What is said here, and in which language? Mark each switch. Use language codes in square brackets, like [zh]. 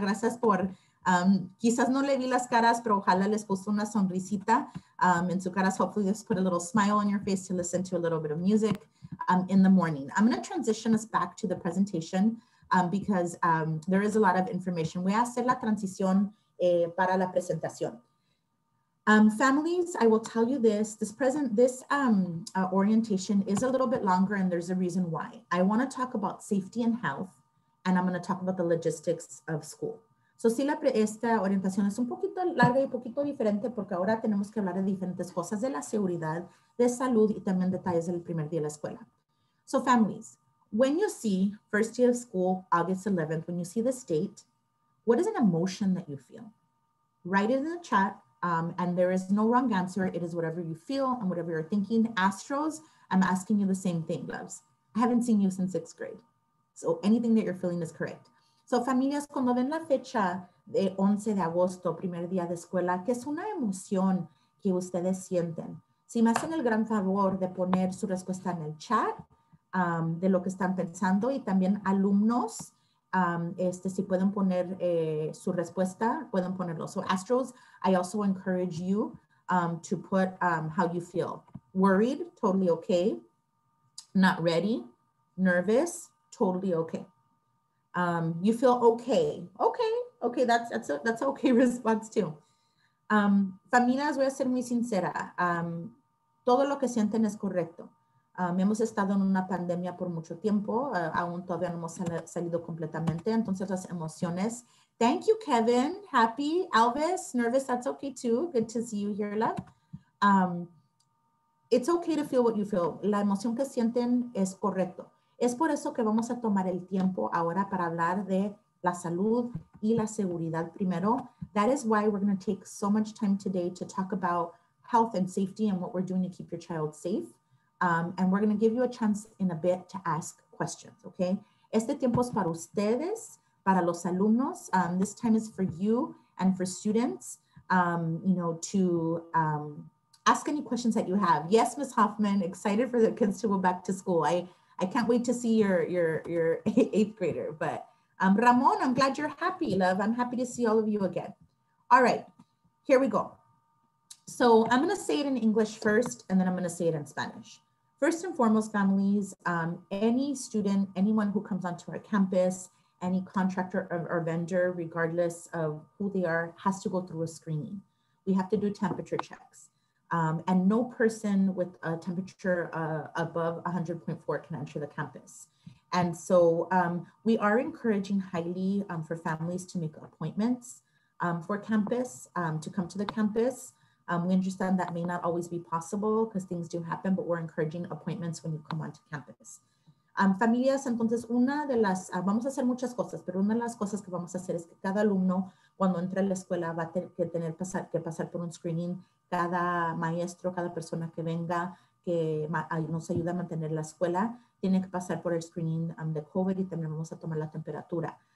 [es] Gracias por, quizás no le vi las caras, pero ojalá les puso una sonrisita en su caras. [en] Hopefully just put a little smile on your face to listen to a little bit of music in the morning. I'm gonna transition us back to the presentation. Because there is a lot of information. [es] Voy a hacer la transición para la presentación. [en] Families, I will tell you this. This orientation is a little bit longer and there's a reason why. I wanna talk about safety and health and I'm gonna talk about the logistics of school. [es] So sí, esta orientación es un poquito larga y un poquito diferente porque ahora tenemos que hablar de diferentes cosas de la seguridad, de salud y también detalles del primer día de la escuela. [en] So families, when you see first day of school, August 11th, when you see this date, what is an emotion that you feel? Write it in the chat, and there is no wrong answer. It is whatever you feel and whatever you're thinking. Astros, I'm asking you the same thing, loves. I haven't seen you since sixth grade. So anything that you're feeling is correct. [es] So familias, cuando ven la fecha de 11 de agosto, primer día de escuela, ¿qué es una emoción que ustedes sienten? Si me hacen el gran favor de poner su respuesta en el chat, de lo que están pensando y también alumnos, si pueden poner su respuesta, pueden ponerlo. [en] So Astros, I also encourage you to put how you feel. Worried, totally okay. Not ready, nervous, totally okay. You feel okay, that's an okay response too. [es] Familias, voy a ser muy sincera. Todo lo que sienten es correcto. Hemos estado en una pandemia por mucho tiempo, aún todavía no hemos salido completamente, entonces las emociones. [en] Thank you, Kevin, happy. Elvis, nervous, that's okay too. Good to see you here, love. It's okay to feel what you feel. [es] La emoción que sienten es correcto. Es por eso que vamos a tomar el tiempo ahora para hablar de la salud y la seguridad primero. [en] That is why we're going to take so much time today to talk about health and safety and what we're doing to keep your child safe. And we're going to give you a chance in a bit to ask questions, okay? [es] Este tiempo es para ustedes, para los alumnos. [en] This time is for you and for students, to ask any questions that you have. Yes, Ms. Hoffman, excited for the kids to go back to school. I can't wait to see your eighth grader. But Ramon, I'm glad you're happy, love. I'm happy to see all of you again. All right, here we go. So I'm going to say it in English first, and then I'm going to say it in Spanish. First and foremost, families, any student, anyone who comes onto our campus, any contractor or vendor, regardless of who they are, has to go through a screening. We have to do temperature checks. And no person with a temperature above 100.4 can enter the campus. And so we are encouraging highly for families to make appointments for campus, to come to the campus. We understand that may not always be possible because things do happen, but we're encouraging appointments when you come onto campus. [es] Familias, entonces una de las, vamos a hacer muchas cosas, pero una de las cosas que vamos a hacer es que cada alumno cuando entra a la escuela va a tener que pasar por un screening, cada maestro, cada persona que venga, que nos ayuda a mantener la escuela, tiene que pasar por el screening de COVID y también vamos a tomar la temperatura.